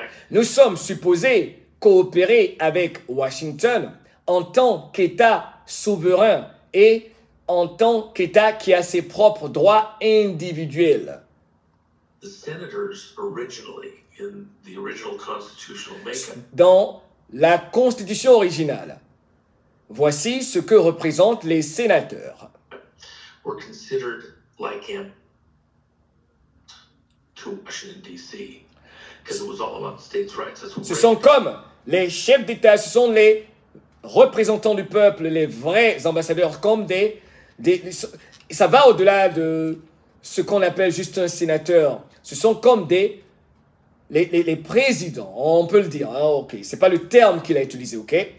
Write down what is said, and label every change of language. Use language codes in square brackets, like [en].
[fr] Nous sommes supposés coopérer avec Washington en tant qu'État souverain et en tant qu'État qui a ses propres droits individuels. [en] The senators originally, in the original constitutional makeup. [fr] Dans la constitution originale, voici ce que représentent les sénateurs. [en] We're considered like him to Washington, D.C. Because it was all about states' rights. That's what [fr] ce sont comme les chefs d'État, ce sont les représentants du peuple, les vrais ambassadeurs, comme des ça va au-delà de ce qu'on appelle juste un sénateur. Ce sont comme les présidents, on peut le dire, hein, ok. Ce n'est pas le terme qu'il a utilisé, ok.